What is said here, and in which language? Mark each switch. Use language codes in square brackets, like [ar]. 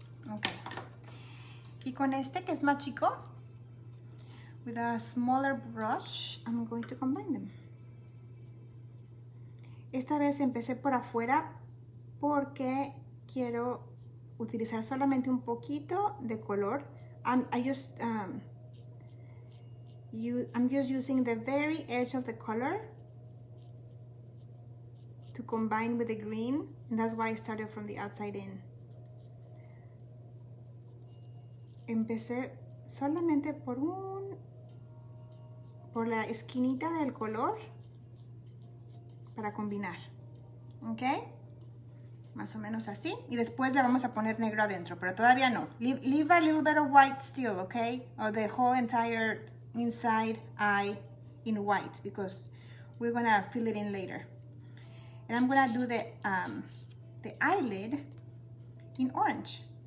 [en] Ok, [es] y con este que es más chico, [en] with a smaller brush, I'm going to combine them. [es] Esta vez empecé por afuera porque quiero utilizar solamente un poquito de color. [en] I just I'm just using the very edge of the color to combine with the green, and that's why I started from the outside in. [es] Empecé solamente por la esquinita del color para combinar, ¿ok? Más o menos así, y después le vamos a poner negro adentro, pero todavía no. [en] Leave a little bit of white still, ¿ok? Or the whole entire inside eye in white, because we're gonna fill it in later. And I'm gonna do the eyelid in orange.